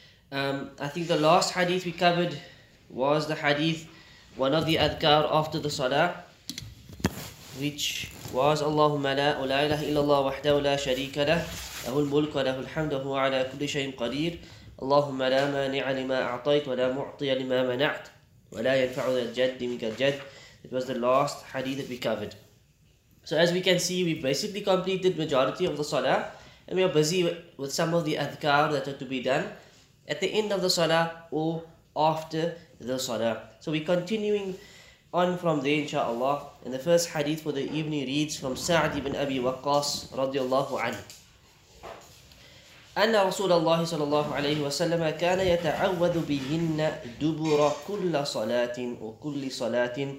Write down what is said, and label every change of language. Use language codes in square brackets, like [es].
[en] I think the last hadith we covered was the hadith, one of the adhkar after the Salah, which was [ar] Allahumma la, la ilaha illallah wahdahu la sharika lah, lahu al-mulk wa lahu al-hamd wa huwa ala kulli shayin qadir. اللهم لا مانع لما أعطيت ولا معطي لما منعت ولا ينفع ذا الجد منك الجد. [en] It was the last hadith that we covered. So as we can see, we basically completed majority of the salah, and we are busy with some of the adhkar that are to be done at the end of the salah or after the salah. So we're continuing on from there, inshaAllah. And the first hadith for the evening reads from Sa'd ibn Abi Waqqas radiallahu anhu. [ar] أن رسول الله صلى الله عليه وسلم كان يتعوذ بهن دبر كل صلاة وكل صلاة.